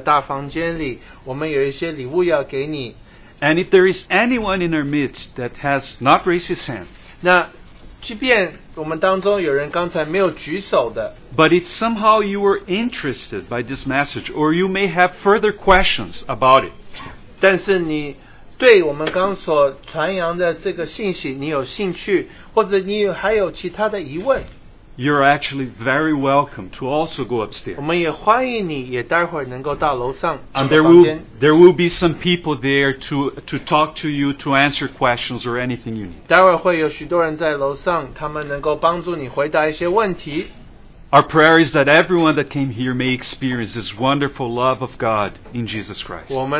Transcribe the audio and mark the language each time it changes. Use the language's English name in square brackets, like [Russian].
[Chinese] 我们也愿意邀请那些刚才举手的那些人，你们可以待会儿到楼上那个大房间里，我们有一些礼物要给你。 [English] And if there is anyone in our midst that has not raised his hand, [Chinese] 那即便我们当中有人刚才没有举手的， [English] but if somehow you were interested by this message, or you may have further questions about it, [Chinese] 但是你 对我们刚所传扬的这个信息你有兴趣，或者你还有其他的疑问， [English] You're actually very welcome to also go upstairs. [Chinese] 我们也欢迎你也待会儿能够到楼上。And [English] there will be some people there to talk to you, to answer questions or anything you need. [Chinese] 待会儿会有许多人在楼上，他们能够帮助你回答一些问题。 [English] Our prayer is that everyone that came here may experience this wonderful love of God in Jesus Christ.